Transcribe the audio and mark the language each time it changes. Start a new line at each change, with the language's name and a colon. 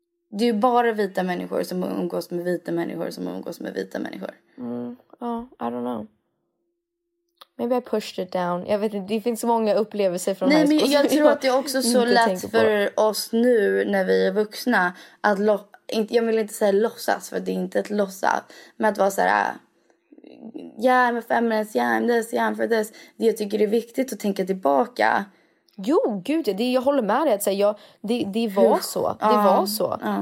Swedish: Det är ju bara vita människor som umgås med vita människor som umgås med vita människor. Ja,
English: I don't know. Maybe I pushed it down.
Swedish: Jag vet inte, det finns många upplevelser från
English: high school.
Swedish: Nej, men jag tror att det är också så lätt för oss nu när vi är vuxna att jag vill inte säga låtsas, för det är inte ett låtsas. Men att vara så här,
English: yeah, I'm a feminist, yeah, I'm this, yeah, I'm for this.
Swedish: Det jag tycker är viktigt att tänka tillbaka. Jo, gud, jag håller med dig att säga, det var så.